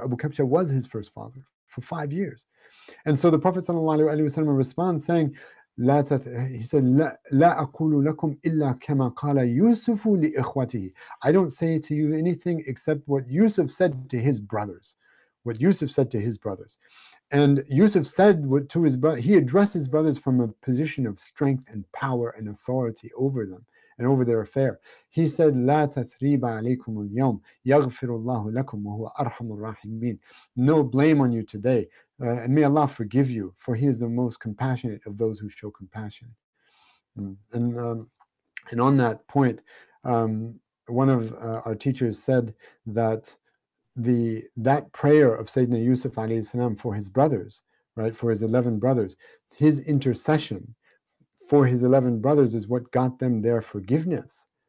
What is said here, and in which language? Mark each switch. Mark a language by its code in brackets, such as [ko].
[en] Abu Kabsha was his first father for 5 years. And so the Prophet sallallahu alaihi wasallam responds saying, [ar] لا أقول لكم إلا كما قال يوسف لإخوته. [en] I don't say to you anything except what Yusuf said to his brothers. What Yusuf said to his brothers. And Yusuf said to his brothers, he addressed his brothers from a position of strength and power and authority over them and over their affair. He said, [ar] لا تثريب عليكم اليوم يغفر الله لكم وهو أرحم الراحمين. [en] No blame on you today. And may Allah forgive you, for He is the most compassionate of those who show compassion. And on that point, one of our teachers said that that prayer of Sayyidina Yusuf alayhi salam for his brothers, right, for his 11 brothers, his intercession for his 11 brothers is what got them their forgiveness.